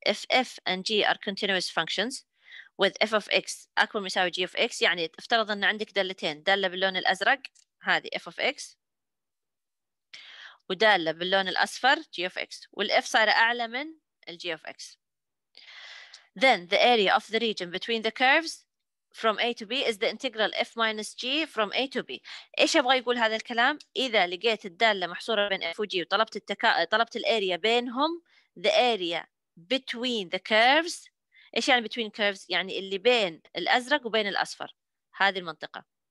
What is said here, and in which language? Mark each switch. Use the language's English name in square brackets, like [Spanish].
[English] if f and g are continuous functions with f of x [Arabic] اكبر مساوي [English] g of x, [Arabic] يعني افترض ان عندك دالتين، داله باللون الازرق هذه اف اوف اكس، ودالة باللون الأصفر g of x، والf صار أعلى من ال g of x. [English] Then the area of the region between the curves from a to b is the integral f minus g from a to b. [Arabic] إيش أبغى يقول هذا الكلام؟ إذا لقيت الدالة محصورة بين f و g وطلبت طلبت الاريا بينهم، [English] the area between the curves، [Arabic] إيش يعني between curves؟ يعني اللي بين الأزرق وبين الأصفر، هذه المنطقة.